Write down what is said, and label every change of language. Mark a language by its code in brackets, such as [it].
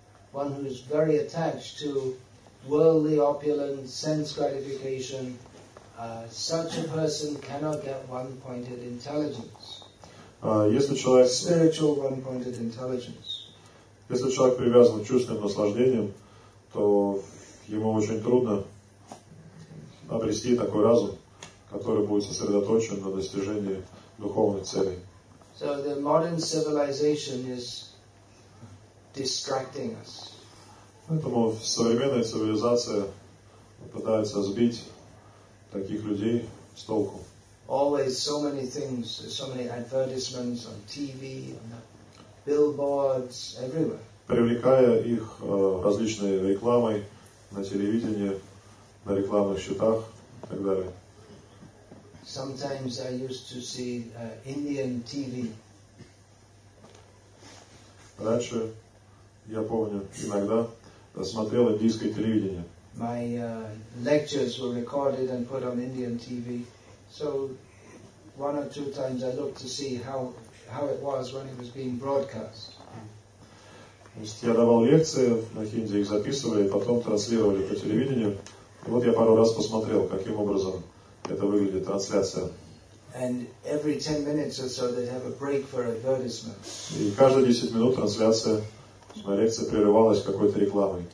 [en] One who is very attached to worldly opulence, sense gratification, such a person cannot get one-pointed intelligence. Spiritual one-pointed intelligence. [ru] Если человек привязан к чувственным наслаждениям, то ему очень трудно обрести такой разум, который будет сосредоточен на достижении духовной цели. [en] So the modern civilization is distracting us. [ru] Поэтому современная цивилизация пытается сбить таких людей с толку. [en] Always so many things, so many advertisements on TV, on billboards, everywhere. [ru] Привлекая их различной рекламой на телевидении, на рекламных счетах и так далее. [en] Sometimes I used to see Indian TV. [ru] Раньше, я помню, иногда смотрел индийское телевидение. [en] My lectures were recorded and put on Indian TV. So one or two times I looked to see how it was when it was being broadcast. [ru] То есть я давал лекции на хинди, их записывали, потом транслировали по телевидению. И вот я пару раз посмотрел, каким образом это выглядит, трансляция. [en] And every 10 minutes or so they'd have a break for advertisement. [ru] И каждые 10 минут трансляция. Моя лекция прерывалась какой-то рекламой.